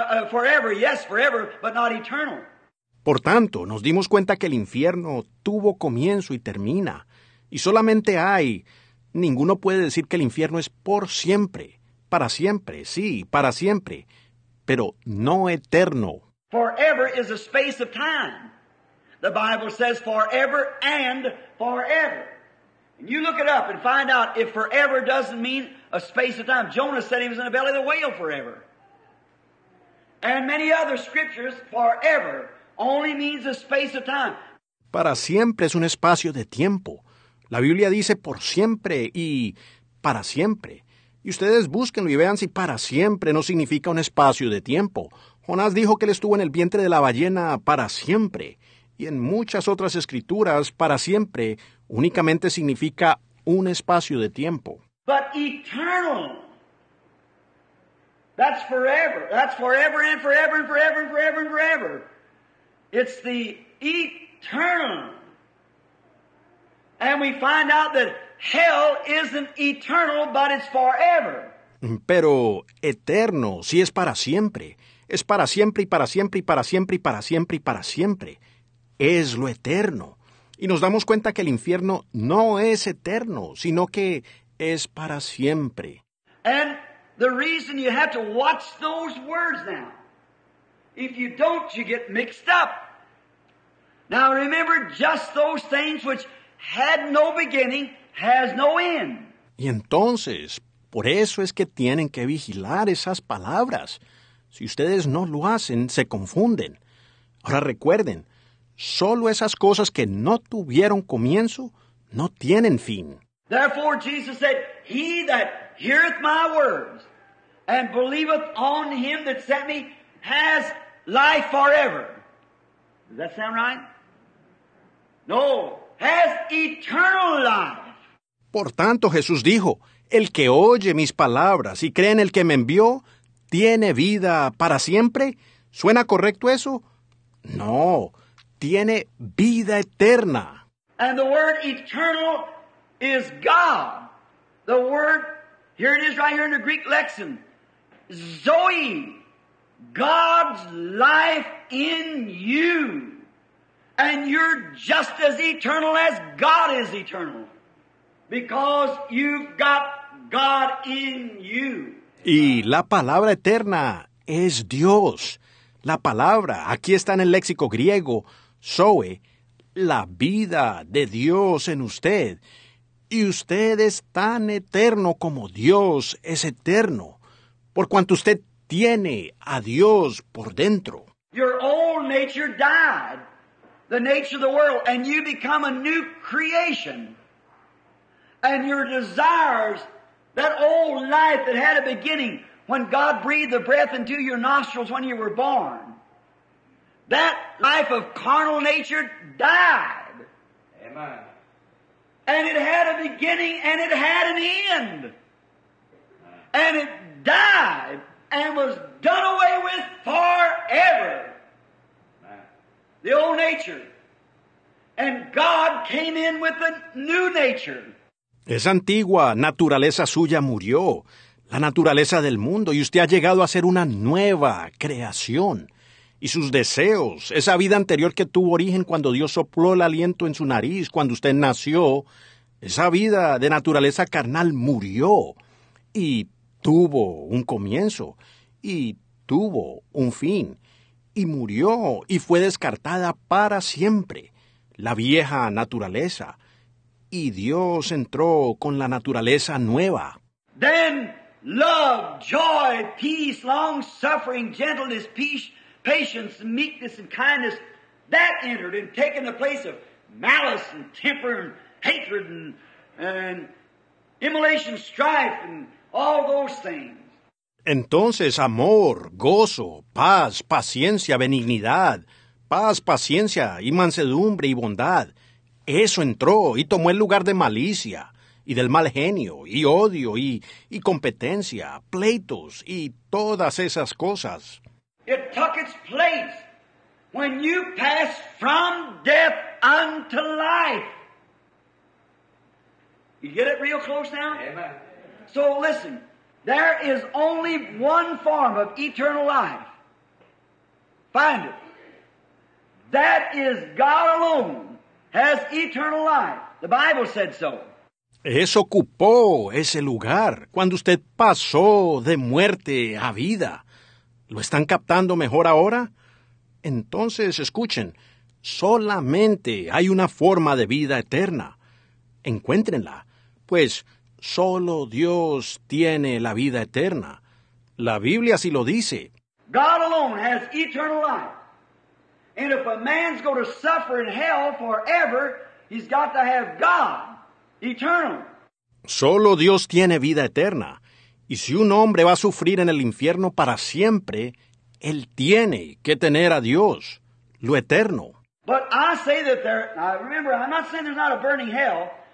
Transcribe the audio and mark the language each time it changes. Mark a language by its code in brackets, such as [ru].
[en] Forever, yes, forever, but not eternal. [es] Por tanto, nos dimos cuenta que el infierno tuvo comienzo y termina. Y solamente hay, ninguno puede decir que el infierno es por siempre. Para siempre, sí, para siempre. Pero no eterno. [en] Forever is a space of time. The Bible says forever and forever. And you look it up and find out if forever doesn't mean a space of time. Jonah said he was in the belly of the whale forever. And many other scriptures, forever, only means a space of time. [es] Para siempre es un espacio de tiempo. La Biblia dice por siempre y para siempre. Y ustedes búsquenlo y vean si para siempre no significa un espacio de tiempo. Jonás dijo que él estuvo en el vientre de la ballena para siempre. Y en muchas otras escrituras, para siempre únicamente significa un espacio de tiempo. [en] But eternal. That's forever. That's forever and forever and forever and forever and forever. It's the eternal And we find out that hell isn't eternal, but it's forever. [es] Pero eterno, sí es para siempre. Es para siempre y para siempre y para siempre y para siempre y para siempre. Es lo eterno. Y nos damos cuenta que el infierno no es eterno, sino que es para siempre. [en] And the reason you have to watch those words now. If you don't, you get mixed up. Now remember, just those things which had no beginning has no end. [es] Y entonces, por eso es que tienen que vigilar esas palabras. Si ustedes no lo hacen, se confunden. Ahora recuerden, solo esas cosas que no tuvieron comienzo no tienen fin. [en] Therefore Jesus said, he that heareth my words and believeth on him that sent me has life forever. Does that sound right? No, has eternal life. [es] Por tanto, Jesús dijo, el que oye mis palabras y cree en el que me envió, ¿tiene vida para siempre? ¿Suena correcto eso? No, tiene vida eterna. [en] And the word eternal is God. The word, here it is right here in the Greek lexicon, Zoe, God's life in you. And you're just as eternal as God is eternal. Because you've got God in you. [es] Y la palabra eterna es Dios. La palabra, aquí está en el léxico griego, Zoe, la vida de Dios en usted. Y usted es tan eterno como Dios es eterno, por cuanto usted tiene a Dios por dentro. [en] Your old nature died, the nature of the world, and you become a new creation. And your desires, that old life that had a beginning when God breathed the breath into your nostrils when you were born, that life of carnal nature died. Amen. And it had a beginning and it had an end. And it died and was done away with forever. Amen. The old nature. And God came in with a new nature. [es] Esa antigua naturaleza suya murió, la naturaleza del mundo, y usted ha llegado a ser una nueva creación. Y sus deseos, esa vida anterior que tuvo origen cuando Dios sopló el aliento en su nariz, cuando usted nació, esa vida de naturaleza carnal murió y tuvo un comienzo y tuvo un fin y murió y fue descartada para siempre, la vieja naturaleza. Y Dios entró con la naturaleza nueva. [en] Then love, joy, peace, long suffering, gentleness, peace, patience, meekness and kindness, that entered and taken the place of malice and temper and hatred and immolation, strife and all those things. [es] Entonces amor, gozo, paz, paciencia, benignidad, paz, paciencia y mansedumbre y bondad. Eso entró y tomó el lugar de malicia y del mal genio y odio y competencia, pleitos y todas esas cosas. [en] It took its place when you passed from death unto life. You get it real close now? Amen. So listen, there is only one form of eternal life. Find it. That is God alone. Has eternal life. The Bible said so. [es] Eso ocupó ese lugar cuando usted pasó de muerte a vida. ¿Lo están captando mejor ahora? Entonces, escuchen, solamente hay una forma de vida eterna. Encuéntrenla, pues solo Dios tiene la vida eterna. La Biblia sí lo dice. [en] God alone has eternal life. And if a man's going to suffer in hell forever, he's got to have God, eternal. [es] Solo Dios tiene vida eterna. Y si un hombre va a sufrir en el infierno para siempre, él tiene que tener a Dios, lo eterno. [en] But I say that there, now remember, I'm not saying there's not a burning hell.